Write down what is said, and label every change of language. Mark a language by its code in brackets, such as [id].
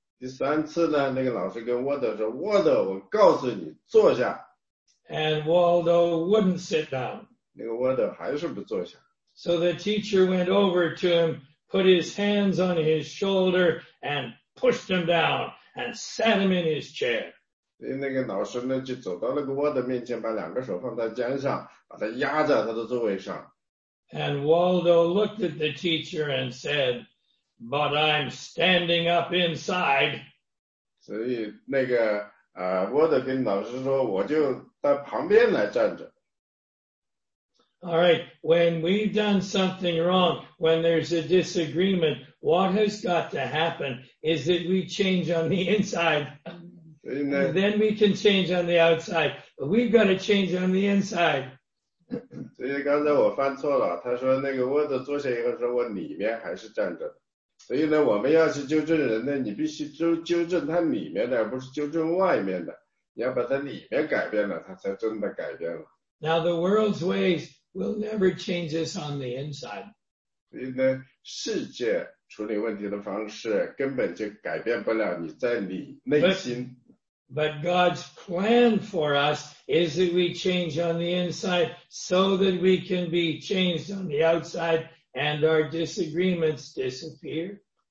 [zh] 第三次呢，那个老师跟 Waldo 说 ，Waldo， 我告诉你坐下。 [en] And Waldo wouldn't sit down. [zh] 那个 Waldo 还是不坐下。 [en] So the teacher went over to him, put his hands on his shoulder, and pushed him down, and sat him in his chair. [zh] 所以那个老师呢，就走到那个 Waldo 面前，把两个手放在肩上，把他压在他的座位上。 [en] And Waldo looked at the teacher and said. But I'm standing up inside. [zh] 所以那个 Waldo 跟老师说我就在旁边来站着。 [en] All right, when we've done something wrong, when there's a disagreement, what has got to happen is that we change on the inside. And then we can change on the outside. But we've got to change on the inside. [zh] 所以刚才我犯错了，他说那个窝子坐下以后说我里面还是站着。所以呢，我们要是纠正人呢，你必须纠正他里面的，而不是纠正外面的。你要把他里面改变了，他才真的改变了。Now [en] the world's ways will never change us on the inside. [zh] 所以呢，世界处理问题的方式根本就改变不了你在你内心。 [en] But God's plan for us is that we change on the inside so that we can be changed on the outside and our disagreements disappear.